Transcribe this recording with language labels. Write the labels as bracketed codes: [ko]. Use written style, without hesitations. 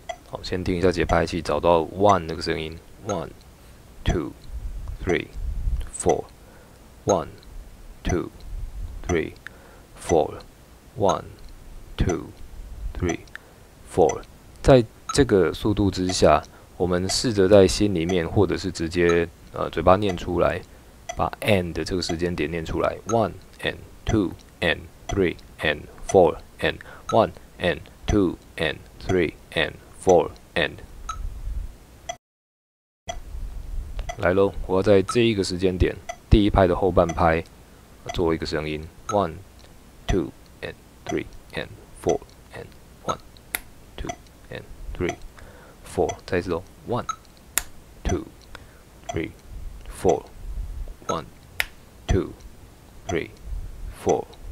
[zh] 好，先听一下节拍器找到 one 那个声音 [en] one two three four one two。 Three, four, one, two, three, four。 [zh] 在这个速度之下，我们试着在心里面，或者是直接嘴巴念出来，把 and 的这个时间点念出来。 [en] One and two and three and four and one and two and three and four and。 [zh] 来喽，我要在这一个时间点，第一拍的后半拍，做一个声音。 [en] One, two, and three, and four, and one, two, and three, four. [zh] 再一次哦。 [en] One, two, three, four. One, two, three, four.